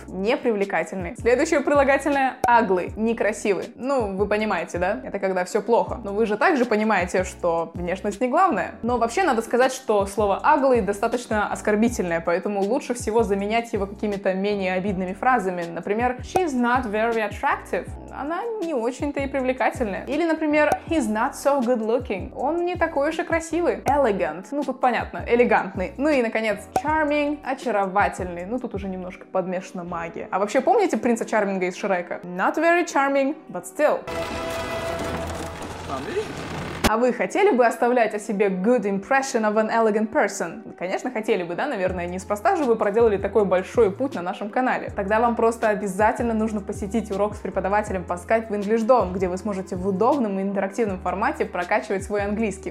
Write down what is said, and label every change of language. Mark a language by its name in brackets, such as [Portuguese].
[Russian] Непривлекательный. Следующее прилагательное ugly. Некрасивый. Ну, вы понимаете, да? Это когда все плохо. Но вы же также понимаете, что внешность не главное. Но вообще надо сказать, что слово ugly достаточно оскорбительное, поэтому лучше всего заменять его какими-то менее обидными фразами. Например, [English] she's not very attractive. [Russian] Она не очень-то и привлекательная. Или, например, [English] he's not so good looking. [Russian] Он не такой уж и красивый. Elegant. Ну, тут понятно. Элегантный. Ну и, наконец, charming, очаровательный. Ну, тут уже немножко подмешана магия. А вообще, помните принца Чарминга из Шрека? [English] Not very charming, but still. [Russian] А вы хотели бы оставлять о себе [English] good impression of an elegant person? [Russian] Конечно, хотели бы, да, наверное, неспроста же вы проделали такой большой путь на нашем канале. Тогда вам просто обязательно нужно посетить урок с преподавателем по Skype в EnglishDom, где вы сможете в удобном и интерактивном формате прокачивать свой английский.